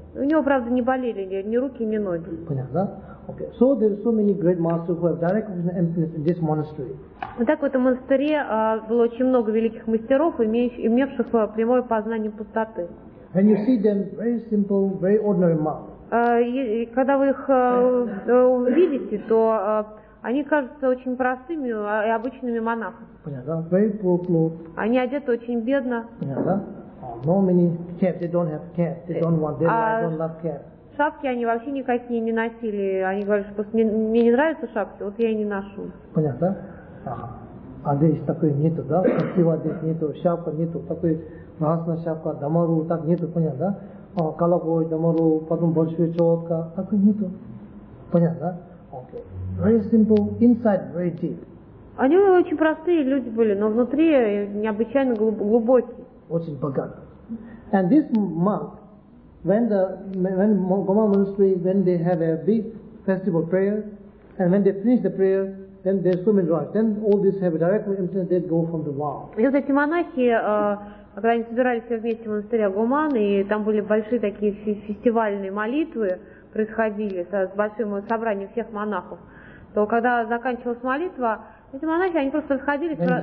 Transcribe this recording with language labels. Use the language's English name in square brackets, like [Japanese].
[Russian] У него, правда, не болели ни руки, ни ноги. Понятно? [English] Okay. So there are so many great masters who have direct recognition of emptiness in this monastery. [Russian] Так в этом монастыре было очень много великих мастеров, имевших прямое познание пустоты. [English] And you see them very simple, very ordinary monks. [Russian] И когда вы их увидите, то они кажутся очень простыми и обычными монахами. Понятно? [English] Very poor clothes. [Russian] Они одеты очень бедно. Понятно? [English] No many cap. They don't have cap. They don't want. They don't love cap. [Russian] Шапки они вообще никакие не носили. Они говорят, что мне не нравятся шапки, вот я и не ношу. Понятно? А здесь такой нету, да? Красиво здесь нету, шапка нету. Такой красная шапка, дамару, так нету, понятно, да? Колобой, дамару, потом большая четка, такой нету. Понятно, да? [English] Okay. Very simple, inside very deep. [Russian] Они очень простые люди были, но внутри необычайно глубокие. Очень богатые. [English] And this monk, when Goma monastery, when they have a big festival prayer, and when they finish the prayer, then there's so many rocks. Then all these have a direct emptiness, they go from the wall. [Russian] И вот эти монахи, когда они собирались все вместе в монастыре Гуман, и там были большие такие фестивальные молитвы происходили, с большим собранием всех монахов, то когда заканчивалась молитва, эти монахи, они просто сходили...